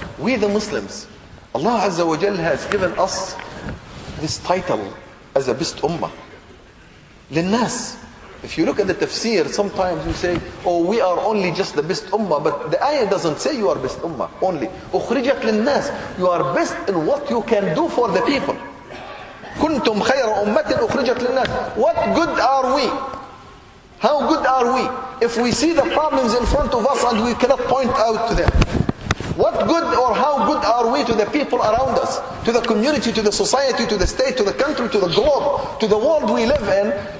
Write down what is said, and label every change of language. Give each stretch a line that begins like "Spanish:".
English: We the Muslims, Allah Azza wa Jal has given us this title as a best ummah. Linnas, if you look at the tafsir, sometimes you say, oh, we are only just the best ummah, but the ayah doesn't say you are best ummah only. Ukhrijat linnas, you are best in what you can do for the people.
Arabic: كنتم خير أمة أخرجت للناس.
English: What good are we? How good are we? If we see the problems in front of us and we cannot point out to them. What good or how good are we to the people around us? To the community, to the society, to the state, to the country, to the globe, to the world we live in.